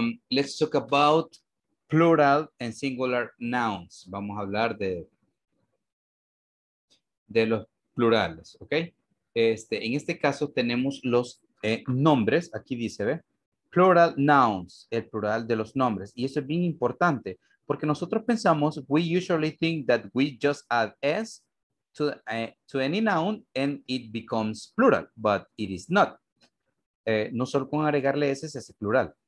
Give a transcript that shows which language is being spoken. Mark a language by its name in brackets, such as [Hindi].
[English] Let's talk about plural and singular nouns. [Spanish] Vamos a hablar de los plurales, okay? En este caso tenemos los nombres, aquí dice, ¿ve? [English] Plural nouns, [Spanish] el plural de los nombres. Y eso es bien importante, porque nosotros pensamos, [English] we usually think that we just add S to any noun and it becomes plural, but it is not. [Spanish] No solo con agregarle S se hace plural.